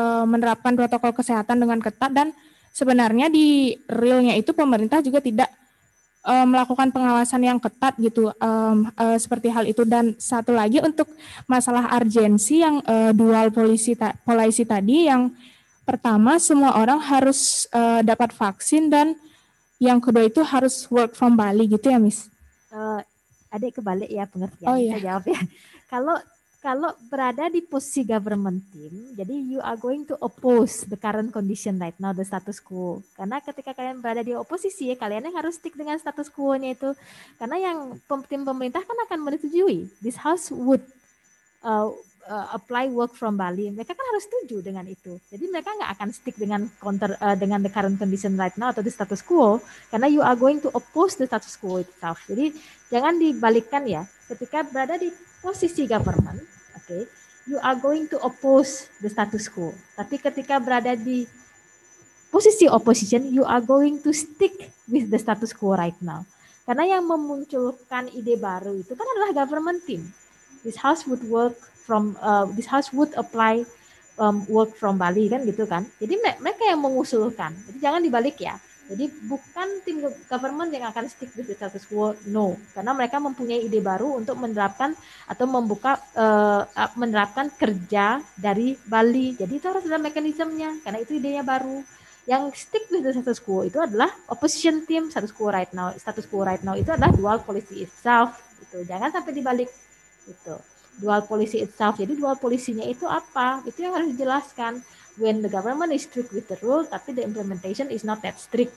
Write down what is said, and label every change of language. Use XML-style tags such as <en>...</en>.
<id>menerapkan protokol kesehatan dengan ketat dan sebenarnya di realnya itu pemerintah juga tidak melakukan pengawasan yang ketat gitu, seperti hal itu. Dan satu lagi untuk masalah urgensi yang dual policy tadi, yang pertama semua orang harus dapat vaksin dan yang kedua itu harus work from Bali gitu ya, Miss? Adik kebalik ya pengertian. Oh, iya. Saya jawab ya. Kalau berada di posisi government team, jadi</id> <en>you are going to oppose the current condition right now, the status quo.</en> <id>Karena ketika kalian berada di oposisi, kalian harus stick dengan status quo-nya itu. Karena yang tim pemerintah kan akan menyetujui,</id> <en>this house would apply work from Bali.</en> <id>Mereka kan harus setuju dengan itu. Jadi mereka nggak akan stick dengan dengan</id> <en>the current condition right now atau the status quo, karena you are going to oppose the status quo itself.</en> <id>Jadi jangan dibalikkan ya, ketika berada di posisi government, okay,</id> <en>you are going to oppose the status quo.</en> <id>Tapi ketika berada di posisi opposition,</id> <en>you are going to stick with the status quo right now.</en> <id>Karena yang memunculkan ide baru itu kan adalah government team.</id> <en>This house would work from this house would apply work from Bali kan gitu kan.</en> <id>Jadi mereka yang mengusulkan. Jadi jangan dibalik ya. Jadi bukan tim government yang akan</id> <en>stick with the status quo,</en> <id>no. Karena mereka mempunyai ide baru untuk menerapkan atau membuka menerapkan kerja dari Bali. Jadi itu harus ada mekanismenya, karena itu idenya baru.</id> <en>Yang stick with the status quo itu adalah opposition team status quo right now. Status quo right now</en> <id>itu adalah dual policy itself. Gitu. Jangan sampai dibalik. Gitu.</id> <en>Dual policy itself.</en> <id>Jadi dual policy-nya itu apa? Itu yang harus dijelaskan.</id> <en>When the government is strict with the rule, tapi the implementation is not that strict.</en>